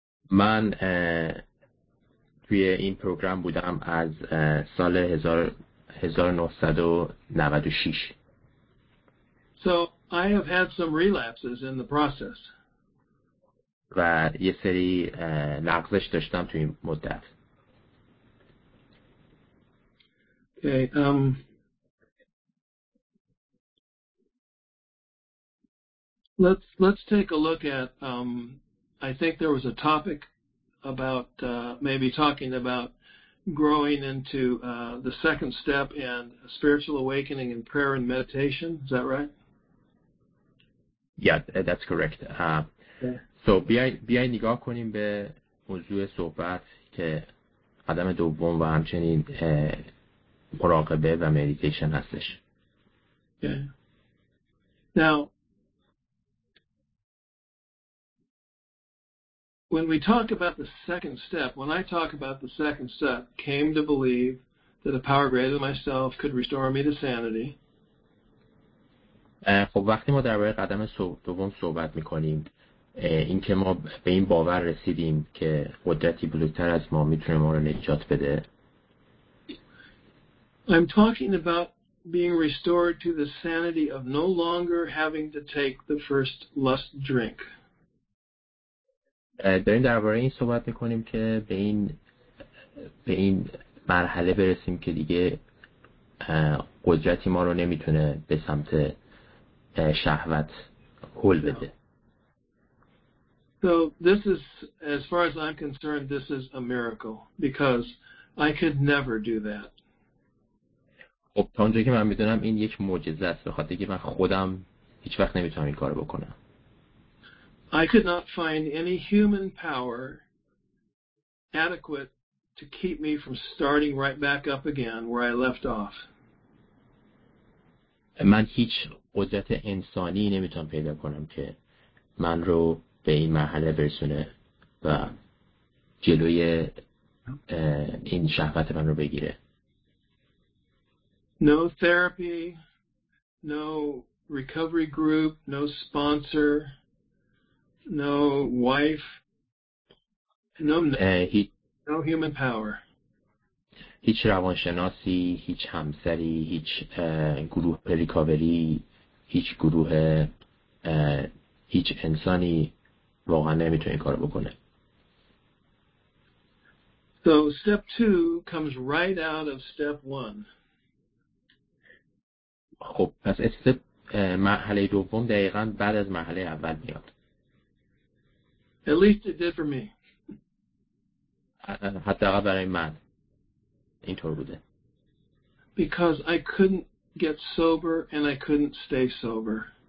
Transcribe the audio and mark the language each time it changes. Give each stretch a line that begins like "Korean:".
Persian: من توی این پروگرام بودم از سال 1996.
English: So I have had some relapses in the process.
Persian: و یه سری نقضش داشتم توی این مدت.
English: Okay. Let's take a look at I think there was a topic about maybe talking about growing into the second step and spiritual awakening and prayer and meditation. Is that right? Yeah, that's correct.
Persian: So بیای نگاه کنیم به موضوع صحبت که قدم دوم و همچنین مراقبه و مدیتیشن هستش.
English: Yeah. Now, when we talk about the second step, when I talk about the second step, came to believe that a power greater than myself could restore me to sanity.
Persian: خب وقتی ما در باره قدم دوم صحبت میکنیم، این که ما به این باور رسیدیم که قدرتی بزرگتر از ما میتونه ما رو نجات بده.
English: I'm talking about being restored to the sanity of no longer having to take the first lust drink.
Persian: داریم درباره این صحبت میکنیم که به این مرحله برسیم که دیگه قدرتی ما رو نمیتونه به سمت شهوت هول بده.
English: So this is, as far as I'm concerned, this is a miracle because I could never do that.
Persian: خب تا اونجایی که من میدونم این یک معجزه است، بخاطر اینکه من خودم هیچ وقت نمیتونم این کارو بکنم.
English: I could not find any human power adequate to keep me from starting right back up again where I left off.
Persian: من هیچ قدرت انسانی نمیتونم پیدا کنم که من رو به این مرحله برسونه و جلوی این شهوت من رو بگیره.
English: No therapy, no recovery group, no sponsor, no wife, no human power.
Persian: هیچ روانشناسی، هیچ همسری، هیچ گروه ریکاوری، هیچ گروه، هیچ انسانی واقعا نمیتونه این کارو بکنه.
English: So step two comes right out of step one.
Persian: خب پس استپ مرحله دوم دقیقا بعد از مرحله اول میاد.
English: At least it did for me.
Persian: حتی اقل برای من اینطور بوده.
English: Because I couldn't get sober and I couldn't stay sober.